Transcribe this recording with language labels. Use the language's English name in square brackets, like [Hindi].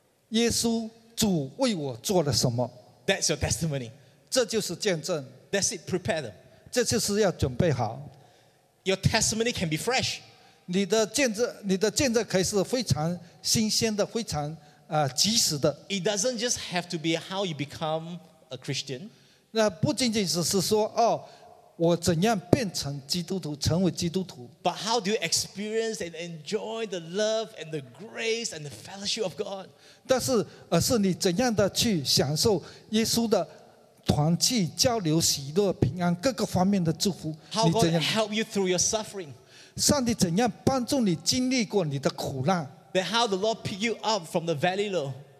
[Chinese] 耶稣主为我做了什么 [English] That's your testimony. [Chinese] 这就是见证 [English] That's it, prepare them. [Chinese] 这就是要准备好 [English] Your testimony can be fresh. [Chinese] 你的见证可以是非常新鲜的非常及时的 [English] It doesn't just have to be how you become a Christian. [Chinese] 那不仅仅只是说哦我怎样变成基督徒成为基督徒 [English] But how do you experience and enjoy the love and the grace and the fellowship of God? [Chinese] 但是而是你怎样的去享受耶稣的团契交流喜乐平安各个方面的祝福 [English] How God help you through your suffering? [Chinese] 上帝怎样帮助你经历过你的苦难 [English] Then how the Lord pick you up from the valley low?